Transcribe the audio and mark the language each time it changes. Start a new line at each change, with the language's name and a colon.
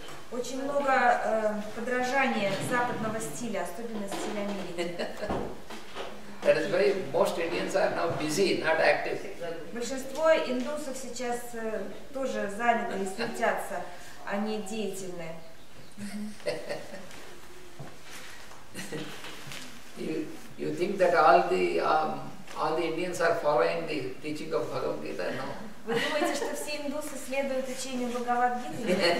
Russian: Очень много подражания западного стиля, особенно стиля Америки.
English: That is very. Most Indians are now busy, not active.
Russian: Большинство индусов сейчас тоже заняты и суетятся, а не деятельны.
English: You think that all the Indians are following the teaching of Bhagavad Gita? No.
Russian: Вы думаете, что все индусы следуют учению Бхагавад Гиты?